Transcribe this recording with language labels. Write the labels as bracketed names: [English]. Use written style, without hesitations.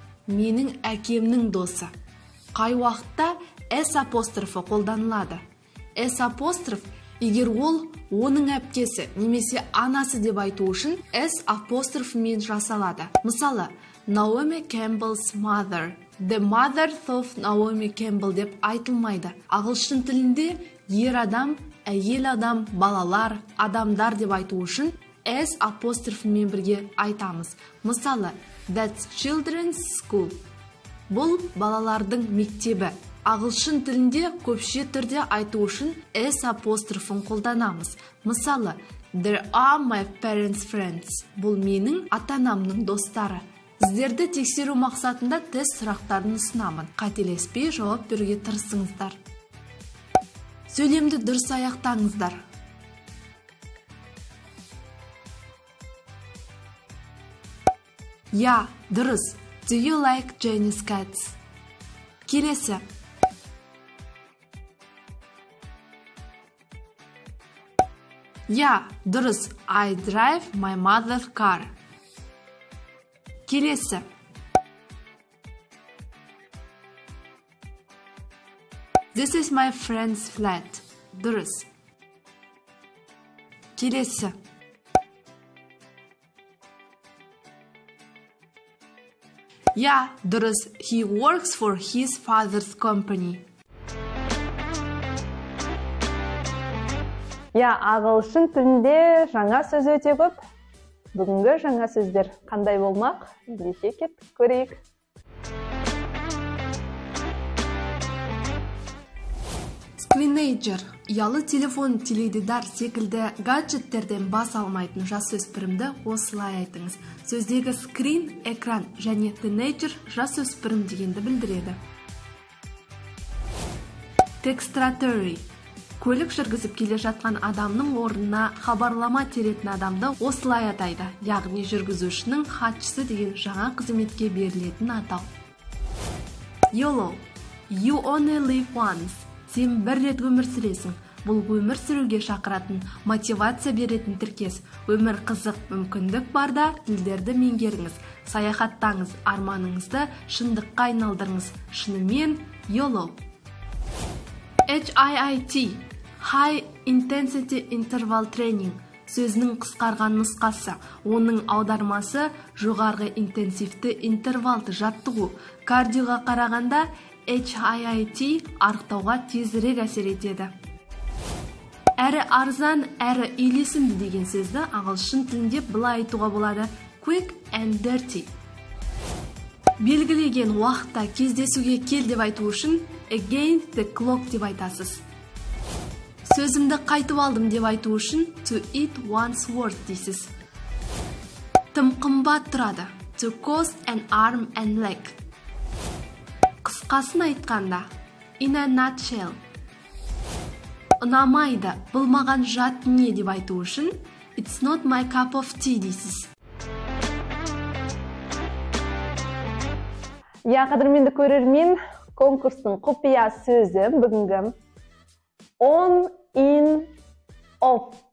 [Kazakh] Менің әкемнің досы. Қай уақытта S апострофы қолданылады? S апостроф, егер ол оның әпкесі немесе анасы деп айту үшін S апострофымен жасалады. Мысалы, [English] Naomi Campbell's mother. The mother of Naomi Campbell [Kazakh] деп айтылмайды. Ағылшын тілінде ер адам, әйел адам, балалар, адамдар деп айту үшін S апострофымен бірге айтамыз. Мысалы, [English] that's children's school. [Kazakh] Бұл балалардың мектебі. Ағылшын тілінде көпше түрде айту үшін S апострофын қолданамыз. Мысалы, [English] there are my parents' friends. [Kazakh] Бұл менің ата-анамның достары. Сіздерді тексеру мақсатында тест сұрақтарын ұсынамын. Қателеспей жауап беруге тырысыңыздар. сөйлемді дұрыс аяқтаңыздар. Я, дұрыс. [English] Do you like Chinese cats? [Kazakh] Келесі. Я, дұрыс. [English] I drive my mother's car. [Kazakh] Келесі. [English] This is my friend's flat. [Kazakh] Дұрыс. Келесі. Я, дұрыс. [English] He works for his father's company. [Kazakh] Я, ағылшын тілінде жаңа сөз өте көп. Бүгінгі жаңа сөздер қандай болмақ? Білесе кеттік көрейік. Скринейджер. Ялы телефон, теледидар секілді гаджеттерден бас алмайтын жас өспірімді осылай айтыңыз. Сөздегі скрин, экран және тенейджер жас өспірім дегенді білдіреді. Текстратори. Көлік жүргізіп келе жатқан адамның орнына хабарлама теретін адамды осылай атайды. Яғни жүргізушінің хатшысы деген жаңа қызметке берілетін атау. [English] YOLO. You only live once. [Kazakh] Сен бір рет өмір сүресің. Бұл өмір сүруге шақыратын, мотивация беретін тіркес. Өмір қызық, мүмкіндік барда тілдерді меңгеріңіз. Саяхаттаңыз, арманыңызды шындыққа айналдырыңыз. Шынымен YOLO. HIIT High Intensity Interval Training сөзінің қысқарған нұсқасы. Оның аудармасы жоғарғы интенсивті интервалды жаттығу. Кардиоға қарағанда HIIT арықтауға тезірек әсер етеді. Әрі арзан, әрі үйлесімді деген сөзді ағылшын тілінде былай айтуға болады. [English] Quick and dirty. [Kazakh] Белгілеген уақытта кездесуге кел деп айту үшін [English] against the clock [Kazakh] деп айтасыз. Сөзімді қайтып алдым деп айту үшін [English] to eat one's worth [Kazakh] дейсіз. Тым қымбат тұрады. [English] To cost an arm and leg. [Kazakh] Қысқасын айтқанда [English] in a nutshell. [Kazakh] Ұнамайды, бұл маған жат не деп айту үшін [English] it's not my cup of tea [Kazakh] дейсіз. Я, қадірменді көрермен, конкурстың құпия сөзі бүгінгі on, in, off.